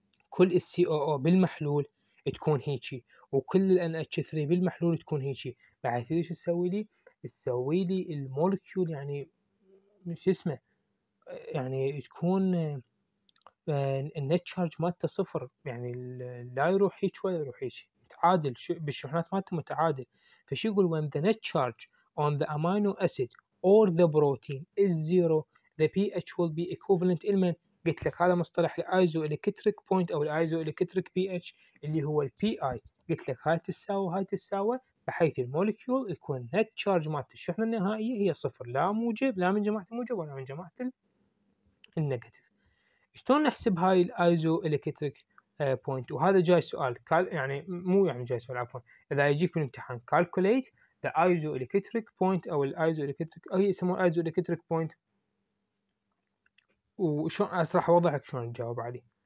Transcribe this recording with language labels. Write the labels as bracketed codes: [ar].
[ar] كل السي او او بالمحلول تكون هيجي وكل الان اتش 3 بالمحلول تكون هيجي، بعد ايش تسوي لي؟ تسوي لي المولكيول يعني مش اسمه يعني تكون النت شارج مالته صفر يعني لا يروح هيك ولا يروح هيك متعادل بالشحنات مالته متعادل. [en] فش يقول when the net charge on the amino acid or the protein is zero the pH will be equivalent [ar] لمن؟ قلت لك هذا مصطلح [en] الايزو electric point او الايزو الكتريك pH اللي هو ال pi. [ar] قلت لك هاي تساوى هاي تساوى بحيث المولكيول يكون نت شارج مالته الشحنة النهائية هي صفر، لا موجب لا من جماعة الموجب ولا من جماعة النيجاتيف. شلون نحسب هاي الايزو الكتريك بوينت؟ وهذا جاي سؤال يعني مو يعني جاي سؤال عفوا اذا يجيك من امتحان [en] calculate the isoelectric point [ar] او الايزو الكتريك او هي يسموها ايزو الكتريك بوينت وشلون اسرح اوضحك شلون نجاوب عليه.